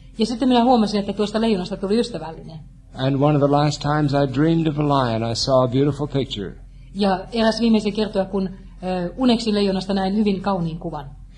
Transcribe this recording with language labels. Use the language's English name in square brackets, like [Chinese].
[Finnish] Ja sitten minä huomasin, että tuosta leijonasta tuli ystävällinen. [English] And one of the last times I dreamed of a lion, I saw a beautiful picture. [Finnish] Ja eräs viimeisiä kertoja, kun uneksin leijonasta, näin hyvin kauniin kuvan.